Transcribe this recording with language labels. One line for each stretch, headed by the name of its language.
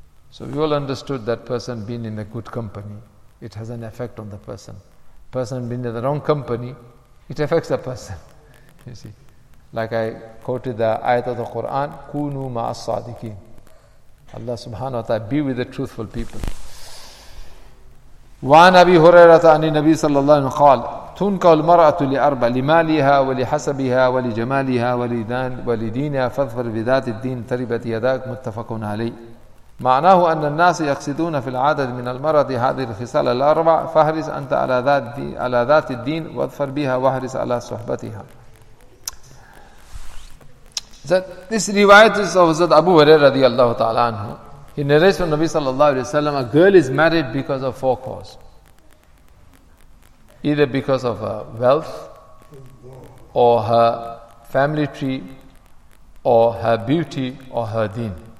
English: So we all understood that person being in a good company, it has an effect on the person. Person being in the wrong company, it affects the person. You see, like I quoted the ayat of the Quran, "Kunu ma'as-sadiqin." Allah Subhanahu wa Taala, be with the truthful people.
Arabic: وعن أبي هريرة عن النبي صلى الله عليه وسلم قال تنكى المرأة لأربع لمالها ولحسبها ولجمالها ولدينها فاظفر بذات الدين تربت يداك متفق عليه معناه أن الناس يقصدون في العدد من المرأة هذه الخصال الأربع فاحرص أنت على ذات الدين واظفر بها واحرص على صحبتها.
English: This rewrite is of Abu Hurairah
Arabic: رضي الله تعالى عنه.
English: He narrates from Nabi sallallahu alayhi wa sallam, a girl is married because of four cause. Either because of her wealth, or her family tree, or her beauty, or her deen.